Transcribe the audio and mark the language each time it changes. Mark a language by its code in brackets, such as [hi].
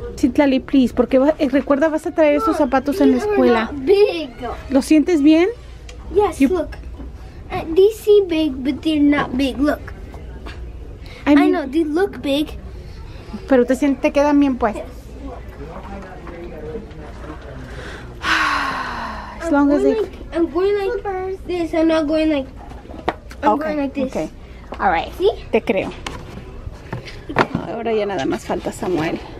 [es] Citlali, [en] please, [es] porque recuerda, vas a traer esos zapatos en la escuela. [en] Big. [es] ¿Lo sientes bien? [en] Yes, you... look. These seem big, but they're not big. Look. I mean, I know, they look big. [es] Pero te quedan bien, pues. [en] Yes, look. As long as they... I'm going like this. I'm not going like... I'm going like this. Okay. All right. [es] ¿Sí? Te creo. Ahora ya nada más falta Samuel.